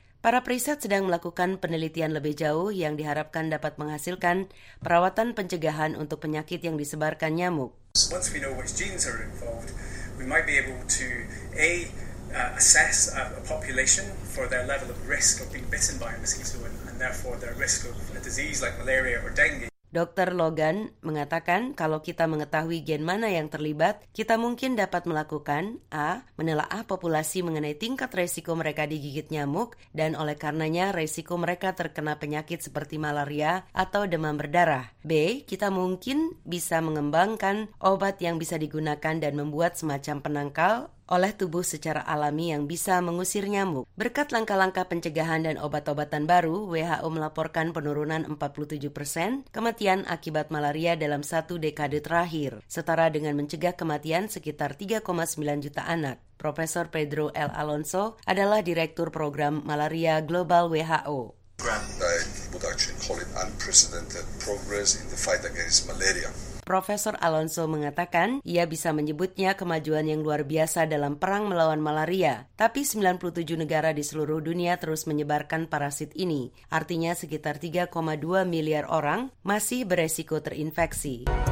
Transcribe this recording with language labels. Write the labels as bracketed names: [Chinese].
[Indonesian] Para periset sedang melakukan penelitian lebih jauh yang diharapkan dapat menghasilkan perawatan pencegahan untuk penyakit yang disebarkan nyamuk. [English] Once we know which genes are involved, we might be able to A, assess a population for their level of risk of being bitten by a mosquito and therefore their risk of a disease like malaria or dengue. [Indonesian] Dr. Logan mengatakan kalau kita mengetahui gen mana yang terlibat, kita mungkin dapat melakukan A. Menelaah populasi mengenai tingkat resiko mereka digigit nyamuk dan oleh karenanya resiko mereka terkena penyakit seperti malaria atau demam berdarah. B. Kita mungkin bisa mengembangkan obat yang bisa digunakan dan membuat semacam penangkal oleh tubuh secara alami yang bisa mengusir nyamuk. Berkat langkah-langkah pencegahan dan obat-obatan baru, WHO melaporkan penurunan 47% kematian akibat malaria dalam satu dekade terakhir, setara dengan mencegah kematian sekitar 3,9 juta anak. Profesor Pedro L. Alonso adalah Direktur Program Malaria Global WHO. [English] Would actually call it unprecedented progress in the fight against malaria. [Indonesian] Profesor Alonso mengatakan ia bisa menyebutnya kemajuan yang luar biasa dalam perang melawan malaria, tapi 97 negara di seluruh dunia terus menyebarkan parasit ini. Artinya sekitar 3,2 miliar orang masih beresiko terinfeksi.